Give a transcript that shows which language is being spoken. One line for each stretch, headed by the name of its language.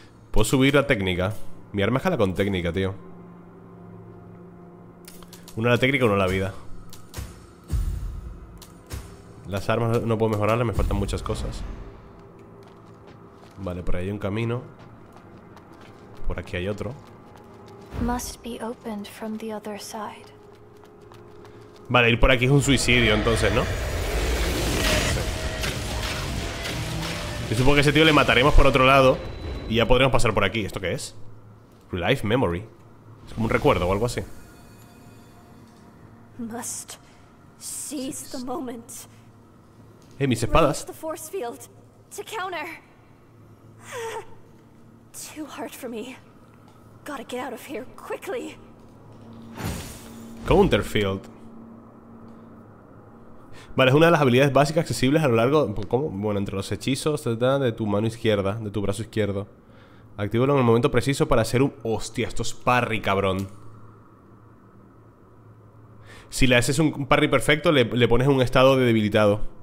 Spanish: Puedo subir la técnica. Mi arma escala con técnica, tío. Una la técnica, una la vida. Las armas no puedo mejorarlas, me faltan muchas cosas. Vale, por ahí hay un camino. Por aquí hay otro.
English: Must be opened from the other side.
Spanish: Vale, ir por aquí es un suicidio, entonces, ¿no? Yo supongo que a ese tío le mataremos por otro lado y ya podremos pasar por aquí. ¿Esto qué es? Life memory. Es como un recuerdo o algo así.
English: Must seize the moment.
Spanish: Hey, mis espadas.
English: The force field to counter. Too hard for me. Gotta get out of here quickly. Counterfield.
Spanish: Vale, es una de las habilidades básicas accesibles a lo largo. ¿Cómo? Bueno, entre los hechizos de tu mano izquierda, de tu brazo izquierdo. Actívalo en el momento preciso para hacer un. Hostia, esto es parry, cabrón. Si le haces un parry perfecto, le pones un estado de debilitado.